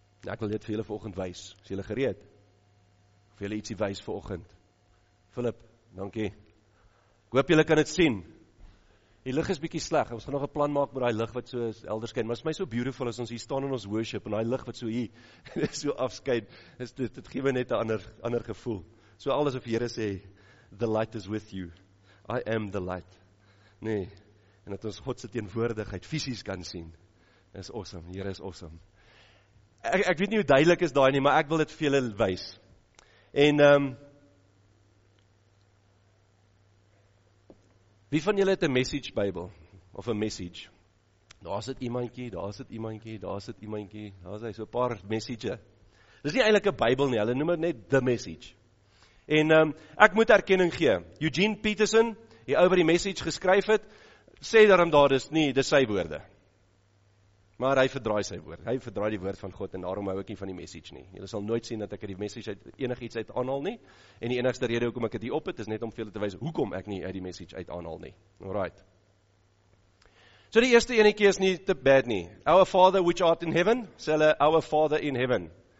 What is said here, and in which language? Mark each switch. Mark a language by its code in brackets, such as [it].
[af] Ek wil dit vir julle vanoggend wys. Is julle gereed? Of julle ietsie wys vanoggend? Philip, dankie. Ek hoop julle kan dit sien. Die lig is bietjie sleg, ons gaan nog 'n plan maak met daai lig wat so helder skyn, maar is my so beautiful as ons hier staan in ons worship, en daai lig wat so hier, so afskyn, dit gee my net 'n ander gevoel. So alles of die Here sê, [en] the light is with you, I am the light. [af] Nee, en dat ons God se teenwoordigheid fisies kan sien, is awesome, die Here is awesome. Ek weet nie hoe duidelik is daai nie, maar ek wil dit vir julle wys. En, wie van julle het 'n message Bybel? Of 'n message? Daar sit iemandjie, daar is hy, so 'n paar message. Dit is nie eintlik 'n Bybel nie, hulle noem het net The Message. En ek moet erkenning gee, Eugene Peterson, die ou wat die message geskryf het, sê daarom daar is nie, dis sy woorde. Maar hy verdraai sy woord, hy verdraai die woord van God, en daarom hou ek nie van die message nie. Julle sal nooit sien dat ek die message uit enig iets uit aanhaal nie, en die enigste rede hoekom ek het hier op het, is net om vir julle te wys hoekom ek nie uit die message uit aanhaal nie. Alright. So die eerste enetjie is nie te bad nie. [en] Our Father which art in heaven, [af] sê hulle, [en] our Father in heaven.